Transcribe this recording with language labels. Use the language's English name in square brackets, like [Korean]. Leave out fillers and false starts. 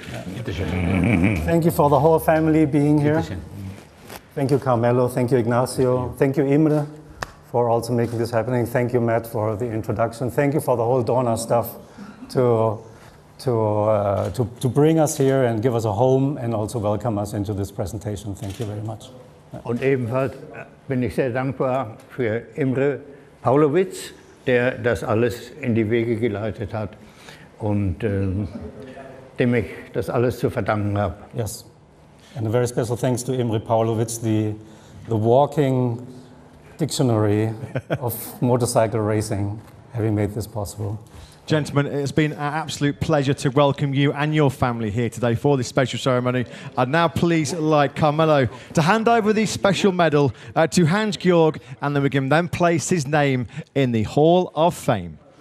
[English] Thank you for the whole family being here. Thank you, Carmelo. Thank you, Ignacio. Thank you, Imre, for also making this happening. Thank you, Matt, for the introduction. Thank you for the whole Donna stuff to bring us here and give us a home and also welcome us into this presentation. Thank you very much. [German] Und ebenfalls bin ich sehr dankbar für Imre Paulowitz, der das alles in die Wege geleitet hat und dem ich das alles zu verdanken habe. [English] Yes. And a very special thanks to Imre Paulowitz, the walking dictionary of motorcycle racing, having made this possible. Gentlemen, it's been an absolute pleasure to welcome you and your family here today for this special ceremony. I'd now please like Carmelo to hand over the special medal to Hans-Georg, and then we can then place his name in the Hall of Fame.